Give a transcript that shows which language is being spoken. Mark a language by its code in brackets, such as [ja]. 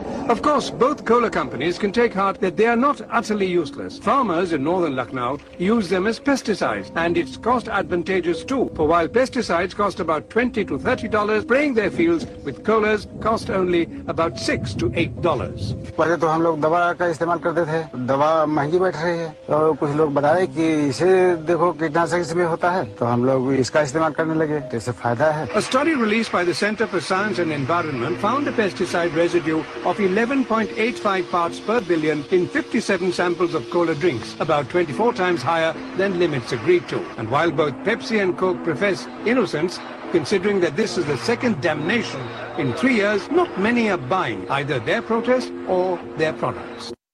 [en] Of course, both cola companies can take heart that they are not utterly useless. Farmers in northern Lucknow use them as pesticides, and it's cost advantageous too. For while pesticides cost about $20 to $30, spraying their fields with colas cost only about $6 to $8. [hi] पहले तो हम लोग दवा का इस्तेमाल करते थे, दवा महंगी बैठ रही है, और कुछ लोग बता रहे कि इसे देखो कीटनाशक इसमें होता है, तो हम लोग इसका इस्तेमाल करने लगे, जैसे फायदा है. [en] A study released by the Center for Science and Environment found a pesticide residue of 11.85 parts per billion in 57 samples of cola drinks, about 24 times higher than limits agreed to. And while both Pepsi and Coke profess innocence, considering that this is the second damnation in 3 years, not many are buying either their protest or their products.